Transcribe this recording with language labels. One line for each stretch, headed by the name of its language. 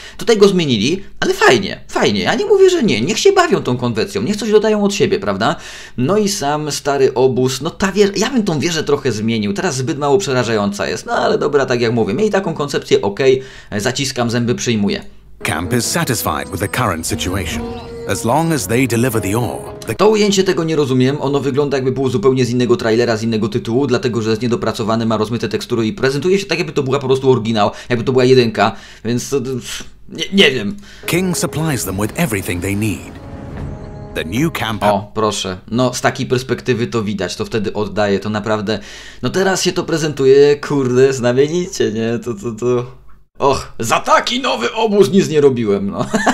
Polish: Tutaj go zmienili, ale fajnie, fajnie. Ja nie mówię, że nie, niech się bawią tą konwencją, niech coś dodają od siebie, prawda? No i sam stary obóz, no ta wieża, ja bym tą wieżę trochę zmienił, teraz zbyt mało przerażająca jest, no ale dobra, tak jak mówię. Taką koncepcję, ok, zaciskam zęby, przyjmuję.
English: Camp is satisfied with the current situation. As long as they deliver the ore.
Polish: To ujęcie tego nie rozumiem, ono wygląda jakby było zupełnie z innego trailera, z innego tytułu, dlatego że jest niedopracowane, ma rozmyte tekstury i prezentuje się tak, jakby to była po prostu oryginał, jakby to była jedynka, więc nie wiem.
English: King supplies them with everything they need. The new camp.
Polish: O, proszę. No, z takiej perspektywy to widać, to wtedy oddaje, to naprawdę. No teraz się to prezentuje, kurde, znamienicie, nie? To. Och, za taki nowy obóz nic nie robiłem, no.